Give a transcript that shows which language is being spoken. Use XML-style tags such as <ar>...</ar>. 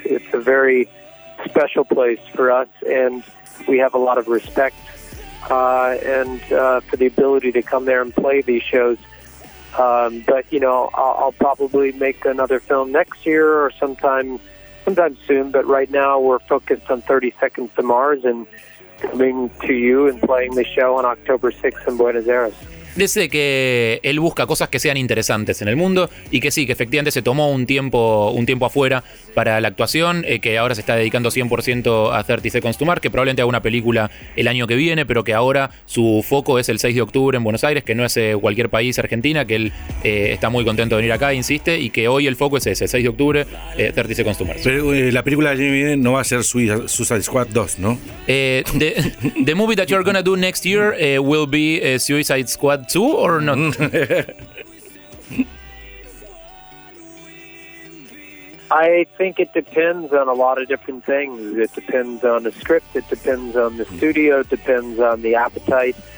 <en>It's a very special place for us, and we have a lot of respect for the ability to come there and play these shows. But, you know, I'll probably make another film next year or sometime soon. But right now we're focused on 30 Seconds to Mars and coming to you and playing the show on October 6th in Buenos Aires.</en> <es>Dice que él busca cosas que sean interesantes en el mundo y que sí, que efectivamente se tomó un tiempo afuera para la actuación, que ahora se está dedicando 100% a 30 Seconds to Mars, que probablemente haga una película el año que viene, pero que ahora su foco es el 6 de octubre en Buenos Aires, que no es cualquier país, Argentina, que él está muy contento de venir acá, insiste, y que hoy el foco es ese, el 6 de octubre, 30 Seconds to Mars. Pero la película del año que viene no va a ser Suicide Squad 2, ¿no?</es> <en>The movie that you're gonna do next year will be Suicide Squad What, two or not? I think it depends on a lot of different things. It depends on the script. It depends on the studio. It depends on the appetite.</en>